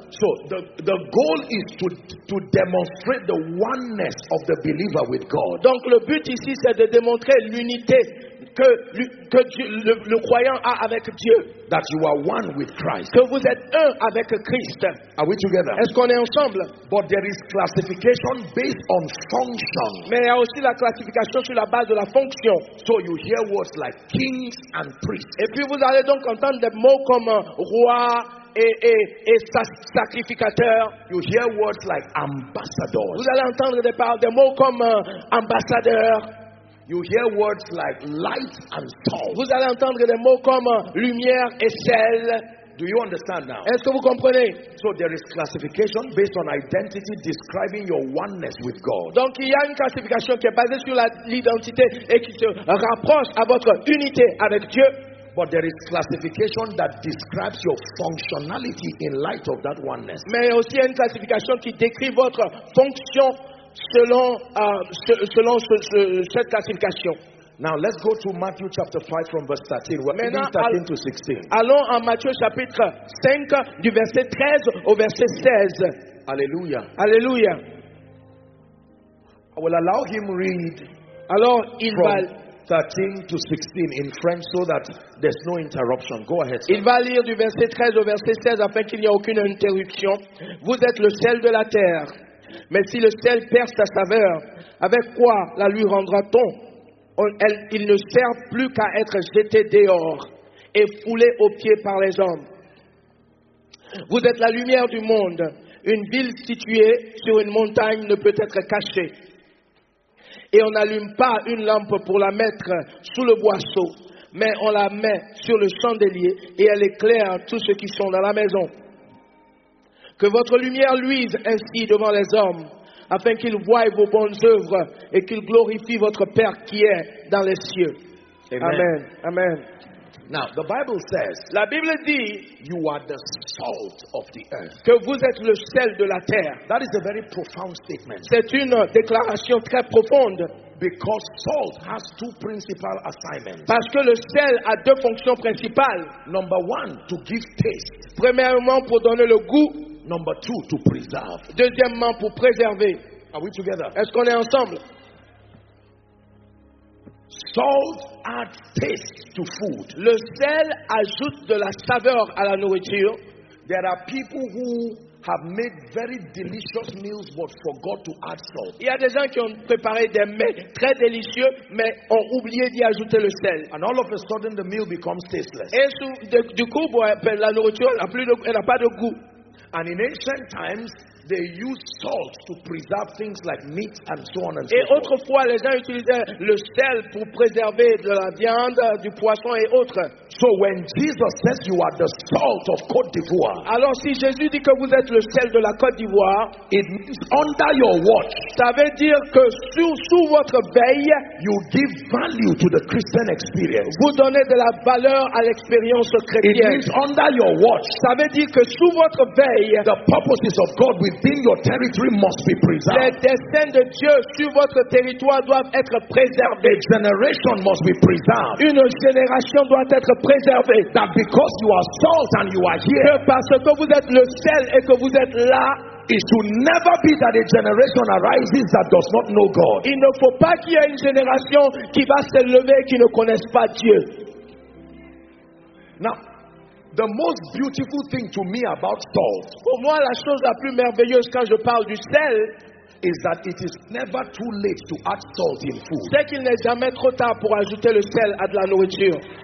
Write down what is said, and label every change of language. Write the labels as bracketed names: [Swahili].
[English] So the goal is to demonstrate the oneness of the believer with God. [French] Donc le but ici c'est de démontrer l'unité que Dieu, le croyant a avec Dieu. [English] That you are one with Christ. [French] Que vous êtes un avec Christ. [English] Are we together? [French] Est-ce qu'on est ensemble? [English] But there is classification based on function. [French] Mais il y a aussi la classification sur la base de la fonction. [English] So you hear words like kings and priests. [French] Et puis vous allez donc entendre des mots comme roi et sacrificateur. [English] You hear words like ambassadors. [French] Vous allez entendre des mots comme ambassadeur. [English] You hear words like light and salt. [French] Vous allez entendre des mots comme lumière et sel. [English] Do you understand now? [French] Est-ce que vous comprenez? [English] So there is classification based on identity describing your oneness with God. [French] Donc il y a une classification qui est basée sur l'identité et qui se rapproche à votre unité avec Dieu. [English] But there is classification that describes your functionality in light of that oneness. [French] Mais aussi une classification qui décrit votre fonction selon cette classification. [English] Now let's go to Matthew chapter 5 from verse 13. We're reading 13 to 16. [French] Allons à Matthieu chapitre 5 du verset 13 au verset 16. Alléluia. Alléluia. [English] I will allow him read. [French] Alors il va [English] 13 to 16 in French so that there's no interruption. Go ahead, sir. [French] Il va lire du verset 13 au verset 16 afin qu'il n'y ait aucune interruption. Vous êtes le sel de la terre. Mais si le sel perd sa saveur, avec quoi la lui rendra-t-on? Il ne sert plus qu'à être jeté dehors et foulé aux pieds par les hommes. Vous êtes la lumière du monde. Une ville située sur une montagne ne peut être cachée. Et on n'allume pas une lampe pour la mettre sous le boisseau, mais on la met sur le chandelier et elle éclaire tous ceux qui sont dans la maison. Que votre lumière luise ainsi devant les hommes, afin qu'ils voient vos bonnes œuvres et qu'ils glorifient votre Père qui est dans les cieux. Amen. Amen. Amen. [English] Now, the Bible says, [French] la Bible dit, [English] you are the salt of the earth. [French] Que vous êtes le sel de la terre. [English] That is a very profound statement. [French] C'est une déclaration très profonde. [English] Because salt has two principal assignments. [French] Parce que le sel a deux fonctions principales. [English] Number one, to give taste. [French] Premièrement, pour donner le goût. [English] Number two, to preserve. [French] Deuxièmement, pour préserver. [English] Are we together? [French] Est-ce qu'on est ensemble? [English] Salt adds taste to food. [French] Le sel ajoute de la saveur à la nourriture. [English] There are people who have made very delicious meals but forgot to add salt. [French] Il y a des gens qui ont préparé des mets très délicieux mais ont oublié d'y ajouter le sel. [English] And all of a sudden the meal becomes tasteless. [French] Et du coup, la nourriture elle a pas de goût. [English] And in ancient times, they used salt to preserve things like meat and so on and so forth. [French] Et autrefois, les gens utilisaient le sel pour préserver de la viande, du poisson et autres. [English] So when Jesus says you are the salt of Côte d'Ivoire, [French] alors si Jésus dit que vous êtes le sel de la Côte d'Ivoire, [English] it means under your watch, [French] ça veut dire que sous votre veille, [English] you give value to the Christian experience. [French] Vous donnez de la valeur à l'expérience chrétienne. [English] It means under your watch, [French] ça veut dire que sous votre veille, [English] the purposes of God within your territory must be preserved. [French] Les desseins de Dieu sur votre territoire doivent être préservés. [English] A generation must be preserved. [French] Une génération doit être préservée. [English] That because you are salt and you are here. [French] Que parce que vous êtes le sel et que vous êtes là. [English] It should never be that a generation arises that does not know God. [French] Il ne faut pas qu'il y ait une génération qui va se lever qui ne connaisse pas Dieu. [English] Now, the most beautiful thing to me about salt. [French] Pour moi, la chose la plus merveilleuse quand je parle du sel [English] is that it is never too late to add salt in food. [French] C'est qu'il n'est jamais trop tard pour ajouter le sel à de la nourriture.